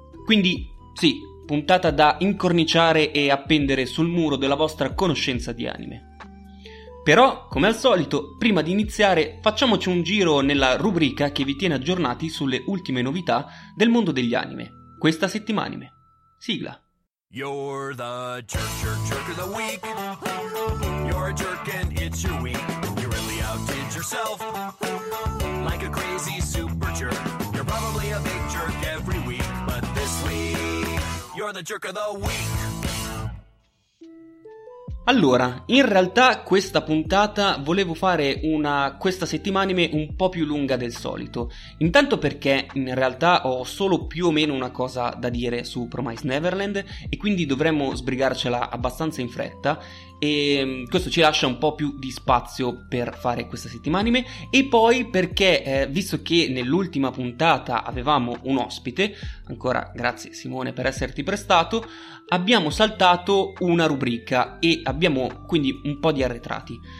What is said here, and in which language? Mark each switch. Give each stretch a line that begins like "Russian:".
Italian: Quindi, sì, puntata da incorniciare e appendere sul muro della vostra conoscenza di anime. Però, come al solito, prima di iniziare, facciamoci un giro nella rubrica che vi tiene aggiornati sulle ultime novità del mondo degli anime. Questa settimana anime. Sigla.
English: You're the jerk of the week. You're a jerk and it's your week. You really outdid yourself. Like a crazy super jerk. You're probably a big jerk every week. But this week, you're the jerk of the week.
Italian: Allora, in realtà questa puntata volevo fare una questa settimana anime un po' più lunga del solito. Intanto perché in realtà ho solo più o meno una cosa da dire su Promised Neverland e quindi dovremmo sbrigarcela abbastanza in fretta e questo ci lascia un po' più di spazio per fare questa settimana anime e poi perché visto che nell'ultima puntata avevamo un ospite, ancora grazie Simone per esserti prestato, abbiamo saltato una rubrica e abbiamo quindi un po' di arretrati.